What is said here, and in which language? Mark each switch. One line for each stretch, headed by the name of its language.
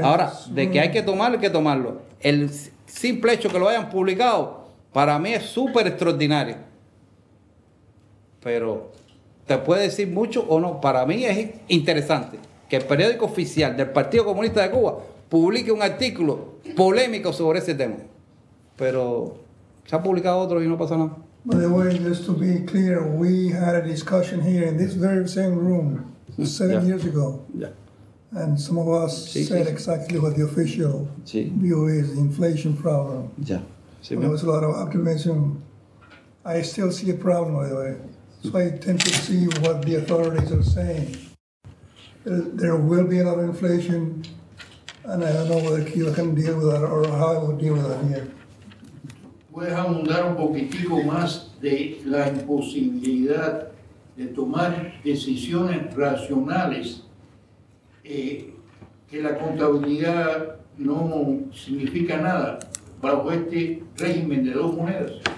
Spanish: Ahora, de que hay que tomarlo, hay que tomarlo. El simple hecho que lo hayan publicado, para mí es súper extraordinario. Pero, ¿te puede decir mucho o no? Para mí es interesante que el periódico oficial del Partido Comunista de Cuba publique un artículo polémico sobre ese tema. Pero se ha publicado otro y no pasa nada.
English: By the way, just to be clear, we had a discussion here in this very same room 7 years ago. Yeah. And some of us said exactly what the official view is, the inflation problem. Yeah. Sí, there was a lot of optimism. I still see a problem, by the way. So I tend to see what the authorities are saying. There will be a lot of inflation, and I don't know whether Cuba can deal with that or how it will deal with that here.
Spanish: ¿Puedes ahondar un poquitico más de la imposibilidad de tomar decisiones racionales que la contabilidad no significa nada bajo este régimen de 2 monedas?